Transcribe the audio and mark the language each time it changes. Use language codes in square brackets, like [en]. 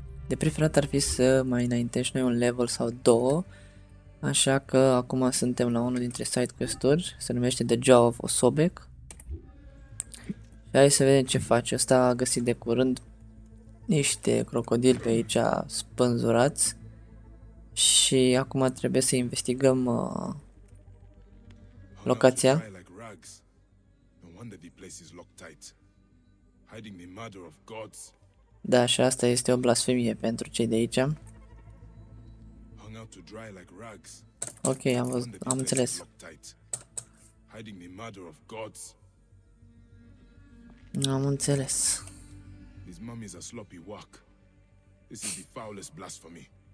[ro] De preferat ar fi să mai înaintești noi un level sau două, așa că acum suntem la unul dintre side quest-uri, se numește The Jaw of Osobek. Și hai să vedem ce face, ăsta a găsit de curând niște crocodili pe aici spânzurați și acum trebuie să investigăm locația. [en] No wonder the place is locked tight. Hiding the murder of gods. [ro] Da, și asta este o blasfemie pentru cei de aici. [en] Hung out to dry like rugs. [ro] Ok, am înțeles. [en] Hiding the murder of gods. [ro] Am înțeles. [en] His mum is a sloppy walk. This is the foulest blasphemy.